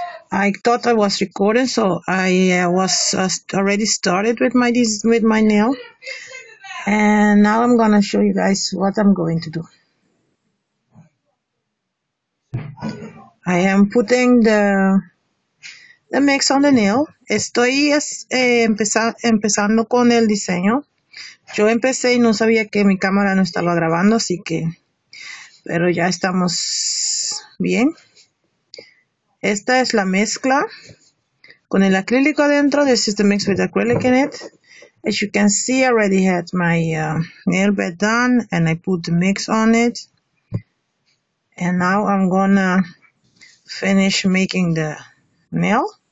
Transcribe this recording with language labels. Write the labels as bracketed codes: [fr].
[en] I thought I was recording, so I was already started with my nail, and now I'm gonna show you guys what I'm going to do. I am putting the mix on the nail. [es] Estoy empezando con el diseño. Yo empecé y no sabía que mi cámara no estaba grabando, así que, pero ya estamos bien. Esta es la mezcla con el acrílico adentro. [en] This is the mix with acrylic in it. As you can see, I already had my nail bed done and I put the mix on it. And now I'm gonna finish making the nail.